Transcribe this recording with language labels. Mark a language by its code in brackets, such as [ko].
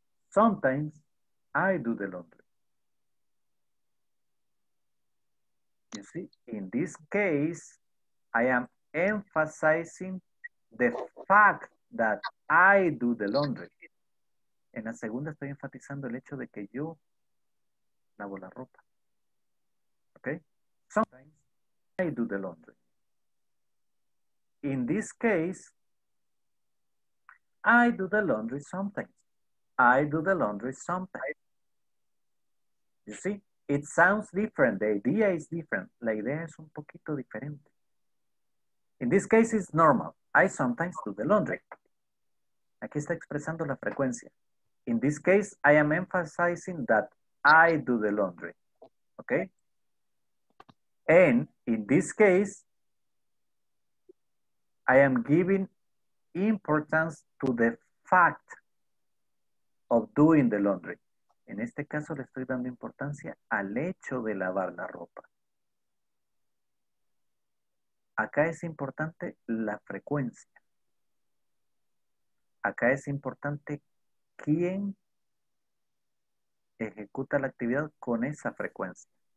[en] Sometimes I do the laundry. You see, in this case, I am emphasizing the fact that I do the laundry. [es] En la segunda estoy enfatizando el hecho de que yo lavo la ropa. [en] Okay? Sometimes I do the laundry. In this case, I do the laundry sometimes. I do the laundry sometimes. You see, it sounds different. The idea is different. [es] La idea es un poquito diferente. [en] In this case, it's normal. I sometimes do the laundry. [es] Aquí está expresando la frecuencia. [en] In this case, I am emphasizing that I do the laundry. Okay? And in this case, I am giving importance to the fact of doing the laundry. [es] En este caso, le estoy dando importancia al hecho de lavar la ropa. Acá es importante la frecuencia. Acá es importante quién ejecuta la actividad con esa frecuencia.